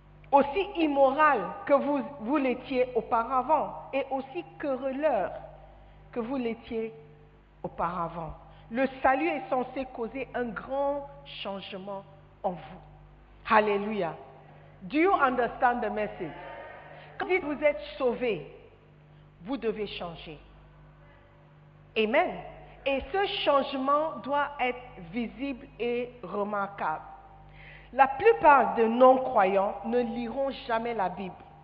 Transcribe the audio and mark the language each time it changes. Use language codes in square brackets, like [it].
[fr] Aussi immoral que vous l'étiez auparavant et aussi querelleur que vous l'étiez auparavant. Le salut est censé causer un grand changement en vous. Alléluia. [en] Do you understand the message? [fr] Quand vous êtes sauvé, vous devez changer. Amen. Et ce changement doit être visible et remarquable. La plupart de non-croyants ne liront jamais la Bible.